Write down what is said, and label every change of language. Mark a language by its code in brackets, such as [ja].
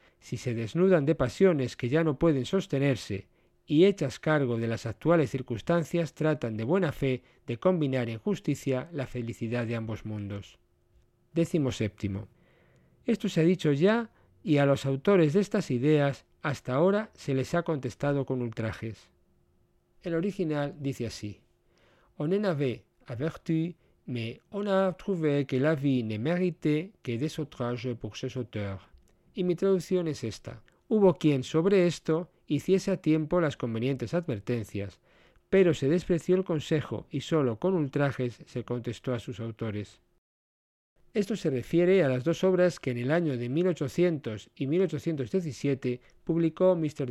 [es] Si se desnudan de pasiones que ya no pueden sostenerse y, hechas cargo de las actuales circunstancias, tratan de buena fe de combinar en justicia la felicidad de ambos mundos. Décimo séptimo. Esto se ha dicho ya y a los autores de estas ideas hasta ahora se les ha contestado con ultrajes. El original dice así: [fr] On en avait averti, mais on a trouvé que la vie ne méritait que des outrages pour ses auteurs. [es] Y mi traducción es esta: hubo quien sobre esto hiciese a tiempo las convenientes advertencias, pero se despreció el consejo y solo con ultrajes se contestó a sus autores. Esto se refiere a las dos obras que en el año de 1800 y 1817 publicó Mr.